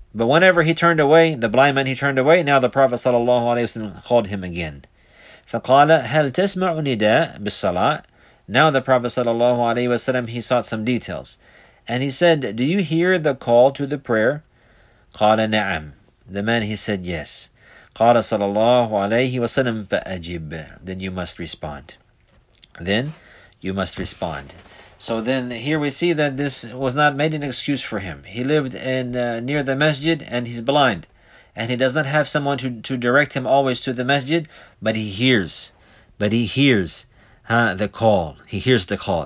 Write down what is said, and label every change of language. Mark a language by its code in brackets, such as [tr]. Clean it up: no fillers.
[en] But whenever he turned away, the blind man, he turned away, now the Prophet sallallahu alaihi wasallam called him again. [ar] فَقَالَ هَلْ تَسْمَعُ نِدَاءَ بِالصَّلَاةِ. [en] Now the Prophet sallallahu alaihi wasallam, he sought some details. And he said, do you hear the call to the prayer? [ar] قال نعم. [en] The man, he said, yes. [ar] قال صلى الله عليه وسلم فأجب. [en] Then you must respond. Then you must respond. So then here we see that this was not made an excuse for him. He lived in near the masjid and he's blind. And he does not have someone to direct him always to the masjid. But he hears the call. He hears the call.